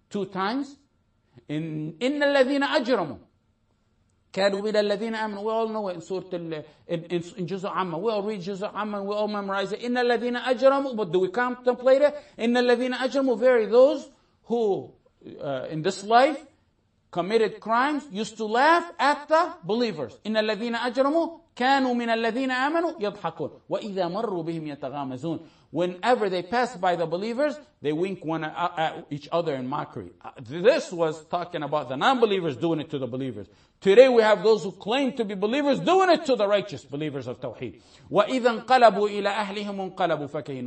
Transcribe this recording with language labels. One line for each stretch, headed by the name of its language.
English: Two times, in
Arabic: إِنَّ الَّذِينَ أَجْرَمُوا كَانُوا مِنَ الَّذِينَ آمَنُوا
English: We all know it in Surah in Juz Amma. We all read Juz Amma and we all memorize it.
Arabic: إِنَّ الَّذِينَ أَجْرَمُوا
English: But do we contemplate it?
Arabic: إِنَّ الَّذِينَ أَجْرَمُوا
English: Very those who in this life committed crimes used to laugh at the believers. إِنَّ الَّذِينَ أَجْرَمُوا
Arabic: كانوا من الذين آمنوا يضحكون وإذا مروا بهم يتغامزون.
English: Whenever they passed by the believers, they wink one at each other in mockery. This was talking about the non-believers doing it to the believers. Today we have those who claim to be believers doing it to the righteous believers of Tawheed.
Arabic: وَإِذَا انْقَلَبُوا إِلَىٰ أَهْلِهِمُ انْقَلَبُوا فَكَهِينَ.